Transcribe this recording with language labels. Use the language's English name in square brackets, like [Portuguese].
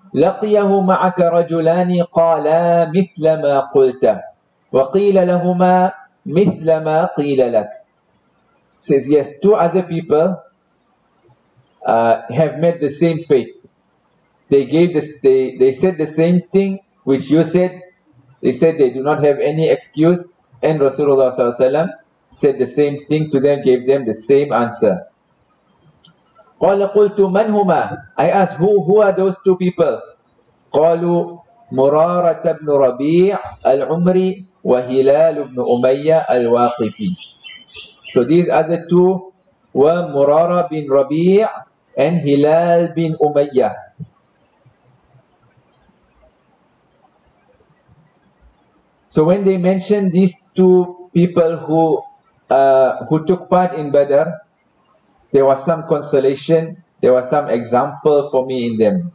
[Arabic] لقيه معك رجلان قالا مثل ما قلت وقيل لهما مثل ما قيل لك. [English] Says yes, two other people have met the same fate. They said the same thing which you said. They said they do not have any excuse, and Rasulullah SAW said the same thing to them, gave them the same answer. [Arabic] قال قلت من هما. [English] I asked who are those two people. [Arabic] قالوا مرارة بن ربيع العمري وهلال بن أمية الواقفي. [English] So these other two were مرارة بن ربيع and هلال بن أمية. So when they mentioned these two people who took part in Badr, there was some consolation, there was some example for me in them.